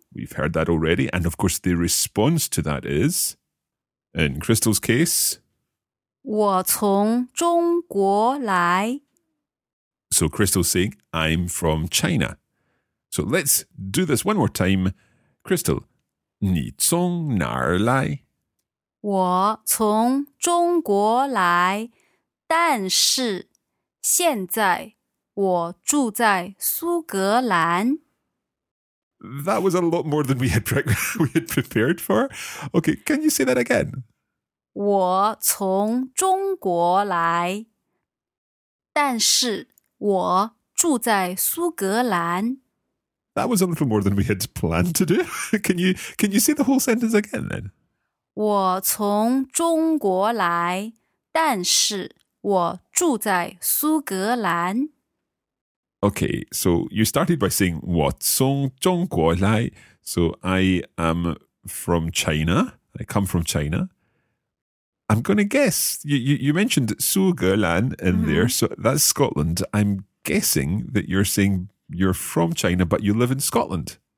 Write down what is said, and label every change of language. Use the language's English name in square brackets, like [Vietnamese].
[English] We've heard that already. And of course, the response to that is, in Crystal's case, [Chinese] 我从中国来。 [English] So Crystal's saying, I'm from China. So let's do this one more time. [Chinese] Crystal, 你从哪儿来? 我从中国来。但是现在我住在苏格兰。 [English] That was a lot more than we had prepared for. Okay, can you say that again? [Chinese] 我从中国来，但是我住在苏格兰。 [English] That was a little more than we had planned to do. Can you say the whole sentence again then? [Chinese] 我从中国来，但是我住在苏格兰。 [English] Okay, so you started by saying 我从中国来, so I am from China, I come from China. I'm going to guess, you mentioned 苏格兰in there, so that's Scotland. I'm guessing that you're saying you're from China, but you live in Scotland.